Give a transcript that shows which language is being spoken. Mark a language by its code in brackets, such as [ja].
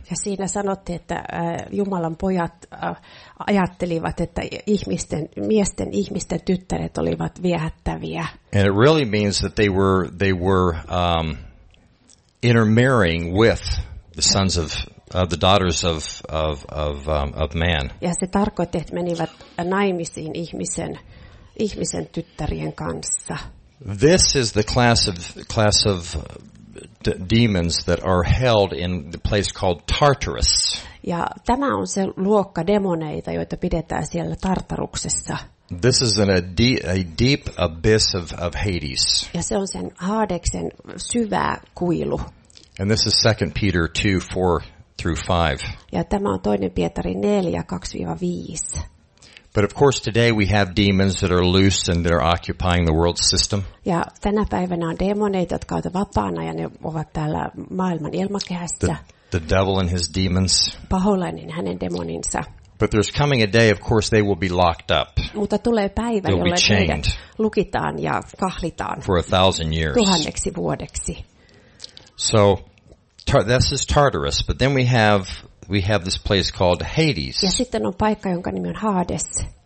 [fi] Ja siinä sanottiin, että Jumalan pojat ajattelivat, että miesten ihmisten tyttäret olivat viehättäviä. [en] And it really means that they were intermarrying with the sons of the daughters of man. [fi] Ja se tarkoitti, että menivät naimisiin ihmisen tyttärien kanssa. [en] This is the class of demons that are held in the place called Tartarus. [fi] Ja tämä on se luokka demoneita, joita pidetään siellä Tartaruksessa. [en] This is a deep abyss of Hades. [fi] Ja se on sen Haadeksen syvä kuilu. [en] And this is 2 Peter 2:4-5. [fi] Ja tämä on 2 Pietari 4:2-5. [en] But of course today we have demons that are loose and that are occupying the world system. [fi] Ja tänä päivänä on demoneita, jotka ovat vapaana ja ne ovat täällä maailman ilmakehässä. [en] The devil and his demons. [fi] Paholainen hänen demoninsa. [en] But there's coming a day, of course, they will be locked up. [fi] Mutta tulee päivä, jolloin heidät lukitaan ja kahlitaan. [en] For a thousand years. [fi] Tuhanneksi vuodeksi. [en] So, this is Tartarus, but then we have this place called Hades. [fi] Ja sitten on paikka, jonka nimi on Hades.